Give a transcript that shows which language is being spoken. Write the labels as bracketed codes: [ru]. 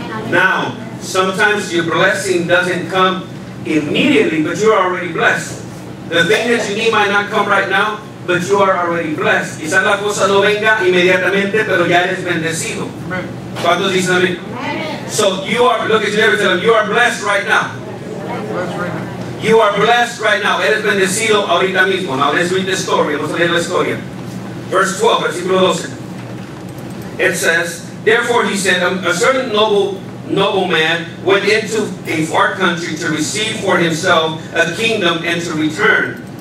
[en] Now, sometimes your blessing doesn't come immediately, but you are already blessed. The thing that you need might not come right now, but you are already blessed. [es] Quizás la cosa no venga inmediatamente, pero ya eres bendecido. ¿Cuántos dicen amén? [en] So you are, look at your neighbor, tell them, you are blessed right now. You are blessed right now. [es] Eres bendecido ahorita mismo. [en] Now let's read the story. [es] Vamos a leer la historia. [en] Verse 12, [es] versículo 12. [en] It says, therefore he said, a certain nobleman went into a far country to receive for himself a kingdom and to return.